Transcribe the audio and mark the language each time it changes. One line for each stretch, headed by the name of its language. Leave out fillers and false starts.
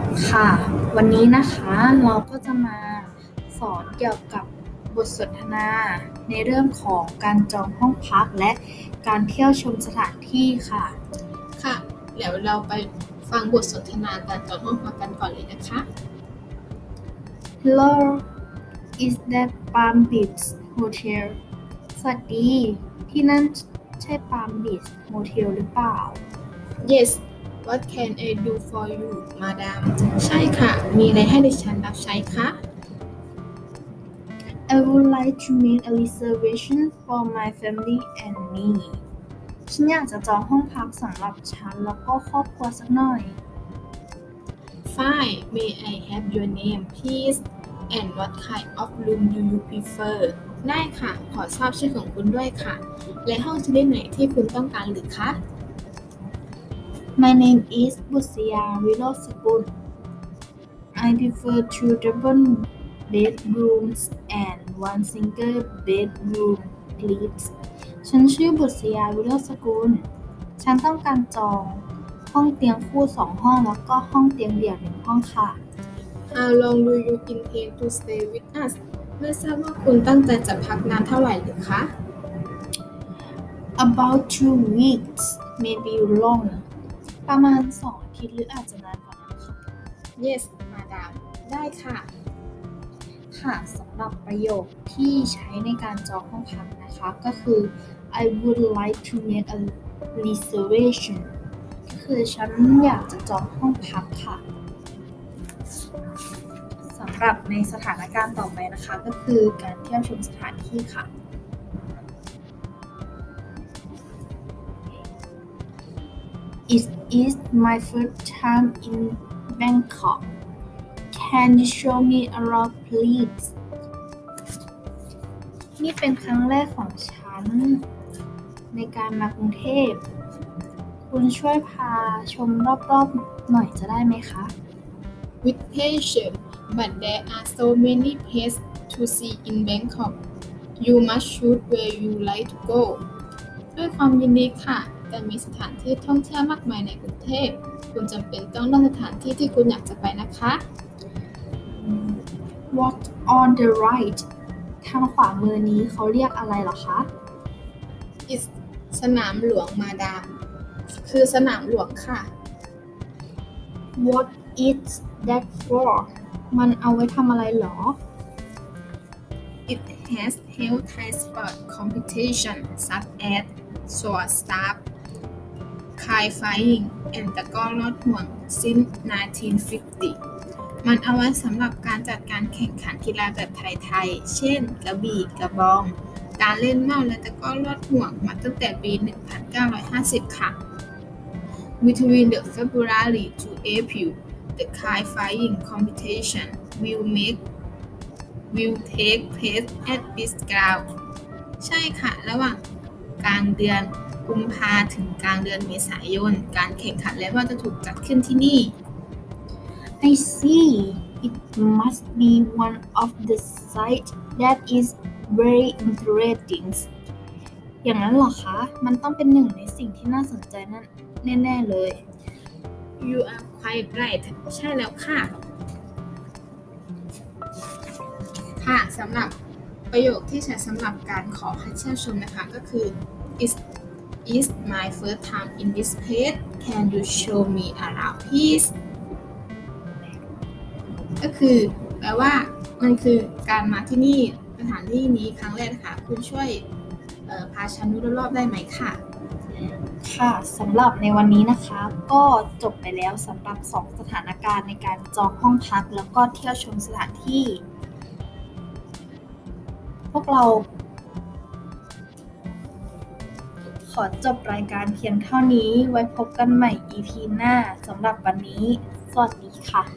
Thai: ค่ะวันนี้นะคะเราก็จะมาสอนเกี่ยวกับบทสนทนาในเรื่องของการจองห้องพักและการเที่ยวชมสถานที่ค่ะ ค่ะเดี๋ยวเราไปฟังบทสนทนาการจองห้องพักกันก่อนเลยนะคะ
English: Hello, is that Palm Beach Hotel?
Thai: สวัสดีที่นั่นใช่ Palm Beach Hotel หรือเปล่า
English: Yes, what can I do for you, madam?
Thai: ใช่ค่ะมีอะไรให้ดิฉันรับใช้คะ
English: I would like to make a reservation for my family and me.
Thai: ฉันอยากจะจองห้องพักสำหรับฉันแล้วก็ครอบครัวสักหน่อย
English: Fine, may I have your name, please, and what kind of room do you prefer?
Thai: ได้ค่ะขอทราบชื่อของคุณด้วยค่ะและห้องชนิดไหนที่คุณต้องการหรือคะ
English: My name is บุษยาวิโรจน์สกุล I prefer two double bedrooms and one single bedroom, please.
Thai: ฉันชื่อบุษยาวิโรจน์สกุลฉันต้องการจองห้องเตียงคู่2ห้องแล้วก็ห้องเตียงเดี่ยว1ห้องค่ะ
English: How long do you intend to stay with us?
Thai: ไม่ทราบว่าคุณตั้งใจจะพักนานเท่าไหร่หรือคะ
English: About 2 weeks, maybe long
Thai: ประมาณ2อาทิตย์หรืออาจจะนานกว่านั้นค่ะ
English: Yes, madam.
Thai: ได้ค่ะ ค่ะสำหรับประโยคที่ใช้ในการจองห้องพักนะคะก็คือ
English: I would like to make a reservation
Thai: ก็คือฉันอยากจะจองห้องพักค่ะสำหรับในสถานการณ์ต่อไปนะคะก็คือการเที่ยวชมสถานที่ค่ะ
English: It is my first time in Bangkok. Can you show me around, please?
Thai: นี่เป็นครั้งแรกของฉันในการมากรุงเทพคุณช่วยพาชมรอบๆหน่อยจะได้ไหมคะ
English: With pleasure, but there are so many places to see in Bangkok. You must choose where you like to go.
Thai: ด้วยความยินดีค่ะแต่มีสถานที่ท่องเที่ยวมากมายในกรุงเทพคุณจำเป็นต้องเลือกสถานที่ที่คุณอยากจะไปนะคะ
English: What on the right?
Thai: ทางขวามือนี้เขาเรียกอะไรหรอคะ
English: It's
Thai: สนามหลวงมาดามคือสนามหลวงค่ะ
English: What is that for?
Thai: มันเอาไว้ทำอะไรหรอ
English: It has held high sport competition such as sword staff, kite flying, and the gallant one since 1950.
Thai: มันเอาไว้สำหรับการจัดการแข่งขันกีฬาแบบไทยๆเช่นกระบี่กระบองการเล่นเม้าและตะก้อลอดห่วงมาตั้งแต่ปี1950ค่ะ
English: Between the February to April the kite flying competition will take place at this ground
Thai: ใช่ค่ะระหว่างกลางเดือนกุมภาถึงกลางเดือนเมษายนการแข่งขันและว่าจะถูกจัดขึ้นที่นี่
English: I see. It must be one of the sites that is very interesting.
Thai: อย่างนั้นเหรอคะมันต้องเป็นหนึ่งในสิ่งที่น่าสนใจนั่นแน่ๆเลย
English: You are quite right.
Thai: ใช่แล้วค่ะค่ะสำหรับประโยคที่ใช้สำหรับการขอให้เช่าชมนะคะก็คือ
English: It's my first time in this place. Can you show me around, please?
Thai: ก็คือแปลว่ามันคือการมาที่นี่สถานที่นี้ครั้งแรกค่ะคุณช่วยพาฉันดูรอบๆได้ไหมค่ะ ค่ะสำหรับในวันนี้นะคะก็จบไปแล้วสำหรับ2สถานการณ์ในการจองห้องพักแล้วก็เที่ยวชมสถานที่พวกเราขอจบรายการเพียงเท่านี้ไว้พบกันใหม่ EP หน้าสำหรับวันนี้สวัสดีค่ะ